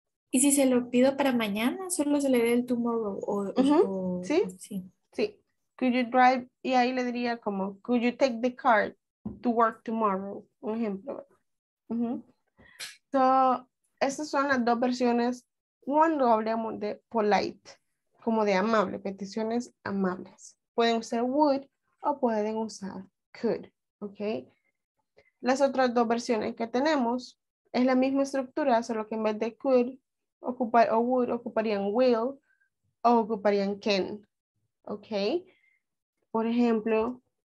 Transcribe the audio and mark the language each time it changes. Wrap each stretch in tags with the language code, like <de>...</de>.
<es>¿Y si se lo pido para mañana? ¿Solo se le dé el tomorrow?</es> <en>Sí. could you drive?</en> <es>Y ahí le diría como,</es> <en>could you take the car to work tomorrow?</en> <es>Un ejemplo. So, estas son las dos versiones cuando hablamos de polite, como de amable, peticiones amables. Pueden usar would o pueden usar could, ¿ok? Las otras dos versiones que tenemos es la misma estructura, solo que en vez de could ocupar, o would, ocuparían will o ocuparían can, ¿ok? Por ejemplo...</es>